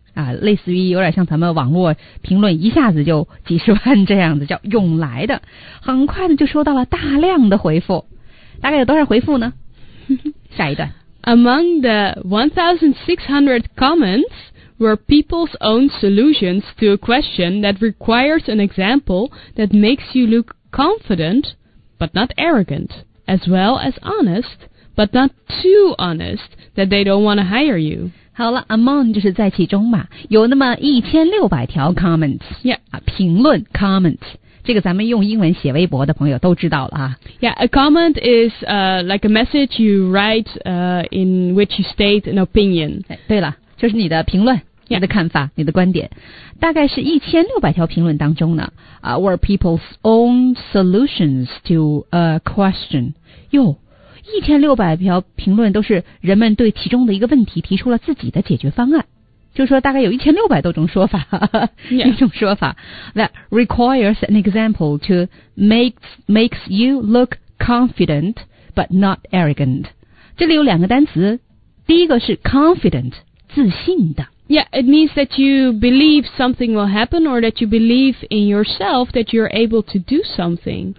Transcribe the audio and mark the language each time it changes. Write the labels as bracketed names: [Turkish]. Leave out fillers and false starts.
[Chinese] 啊，类似于有点像咱们网络评论一下子就几十万这样子，叫涌来的，很快的就收到了大量的回复，大概有多少回复呢？下一段。 [English] Among the 1,600 comments were people's own solutions to a question that requires an example that makes you look confident but not arrogant, as well as honest but not too honest that they don't want to hire you. [Chinese] 好了 ,among 就是在其中嘛，有那么1600条 comments, [English] yeah, [Chinese] 评论 comments, 这个咱们用英文写微博的朋友都知道了啊。 [English] Yeah, a comment is like a message you write in which you state an opinion. [Chinese] 对了，就是你的评论、 [English] yeah. [Chinese] 你的看法你的观点。大概是1600条评论当中呢、 [English] were people's own solutions to a question. [Chinese] 哟1600条评论都是人们对其中的一个问题提出了自己的解决方案，就是说大概有1600多种说法、 [English] yeah. [Chinese] 一种说法 [English] that requires an example to makes you look confident but not arrogant. [Chinese] 这里有两个单词，第一个是 confident, 自信的。 [English] Yeah, it means that you believe something will happen or that you believe in yourself that you're able to do something.